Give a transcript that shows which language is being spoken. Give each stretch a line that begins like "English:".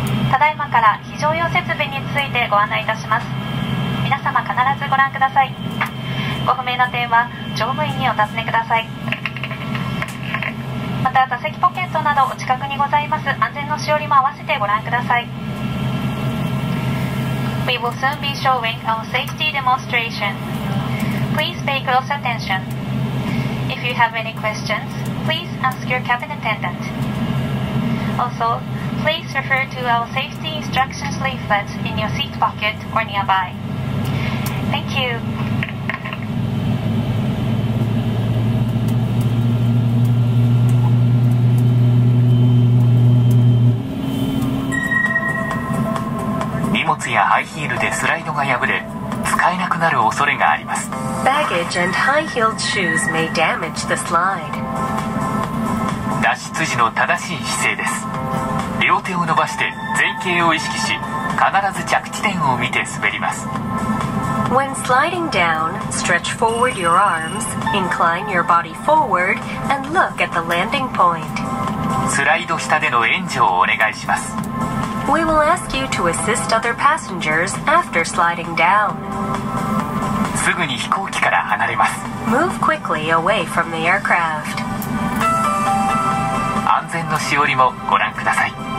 Japanese: ただいまから非常用設備についてご案内いたします。皆様必ずご覧ください。ご不明な点は乗務員にお尋ねください。また座席ポケットなどお近くにございます安全のしおりも合わせてご覧ください。
English: We will soon be showing our safety demonstration. Please pay close attention. If you have any questions, please ask your cabin attendant. Also, please refer to our safety instructions leaflet in your seat pocket or nearby. Thank you.
Japanese: やハイヒールでスライドが破れ使えなくなる恐れがあります。
English: Baggage and high-heeled shoes may damage the slide.
Japanese: 脱出時の正しい姿勢です。両手を伸ばして前傾を意識し必ず着地点を見て滑ります。
English: When sliding down, stretch forward your arms, incline your body forward, and look at the landing point.
Japanese: スライド下での援助をお願いします。
English: We will ask you to assist other passengers after sliding down.
Japanese: すぐに飛行機から離れます。
English: Move quickly away from the aircraft.
Japanese: 安全のしおりもご覧ください。